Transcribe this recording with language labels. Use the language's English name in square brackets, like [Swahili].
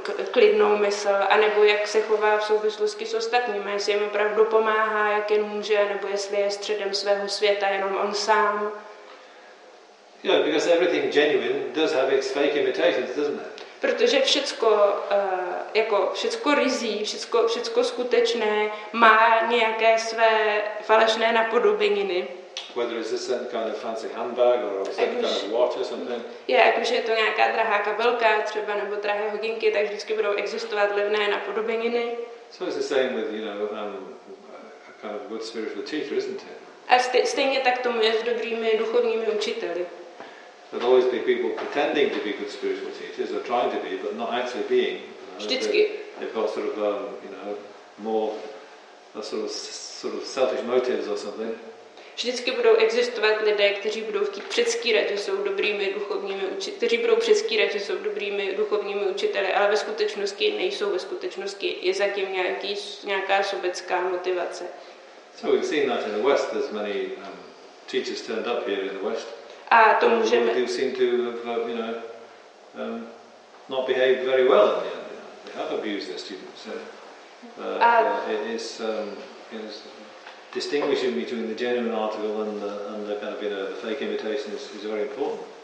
[Czech] klidnou mysl, anebo jak se chová v souvislosti s ostatními, jestli jim opravdu pomáhá, jak jen může, nebo jestli je středem svého světa jenom on sám. [English] You know, because everything genuine does have its fake imitations, doesn't it? [Czech] Protože všecko jako všecko ryzí, všecko skutečné má nějaké své falešné napodobeniny. [English] Whether it's a certain kind of fancy handbag or a certain kind of watch or something. [Czech] Yeah, jakože je to nějaká drahá kabelka, třeba nebo drahé hodinky, tak vždycky budou existovat levné napodobeniny. [English] So it's the same with, you know, a kind of good spiritual teacher, isn't it? [Czech] A stejně tak tomu je s dobrými duchovními učiteli. [English] There'll always be people pretending to be good spiritual teachers, or trying to be, but not actually being. [Czech] Vždycky. [English] They've got sort of, you know, more a sort of selfish motives or something. [Czech] Vždycky budou existovat lidé, kteří budou chtít předskírat, že jsou dobrými duchovními učiteli, kteří budou předskírat, že jsou dobrými duchovními učiteli, ale ve skutečnosti nejsou, ve skutečnosti je zatím nějaká sobecká motivace. [English] So we've seen that in the West, there's many teachers turned up here in the West. [Czech] A to můžeme. [English] They seem to have, you know, not behaved very well in the end. They have abused their students. So, it is distinguishing between the genuine article and the kind of, you know, the fake imitation is very important.